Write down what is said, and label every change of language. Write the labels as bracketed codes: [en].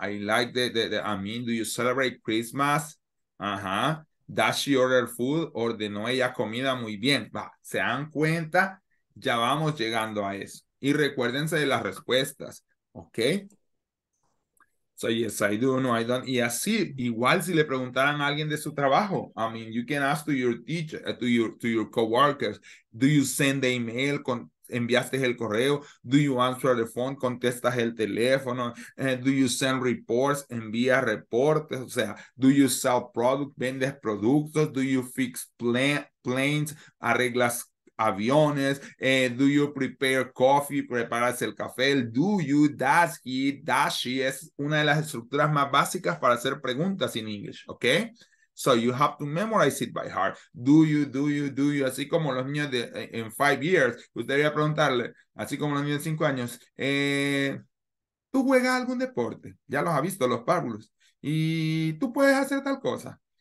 [en] I like I mean, do you celebrate Christmas? [es] Ajá. [en] Does she order food? [es] ¿Ordenó ella comida? Muy bien. Va, se dan cuenta, ya vamos llegando a eso. Y recuérdense de las respuestas, ¿ok? [en] So, yes, I do, no, I don't. [es] Y así, igual si le preguntaran a alguien de su trabajo. [en] I mean, you can ask to your teacher, to your coworkers. Do you send the email? [es] ¿Enviaste el correo? [en] Do you answer the phone? [es] ¿Contestas el teléfono? [en] Do you send reports? [es] ¿Envías reportes? O sea, [en] do you sell products? [es] ¿Vendes productos? [en] Do you fix planes? [es] ¿Arreglas aviones? [en] Do you prepare coffee? [es] ¿Preparas el café? [en] Do you, does he, does she? [es] Es una de las estructuras más básicas para hacer preguntas en English, ¿ok? [en] So you have to memorize it by heart. Do you, [es] así como los niños de en [en] 5 years, [es] usted debería preguntarle, así como los niños de 5 años, ¿tú juegas algún deporte? Ya los ha visto, los párvulos. ¿Y tú puedes hacer tal cosa?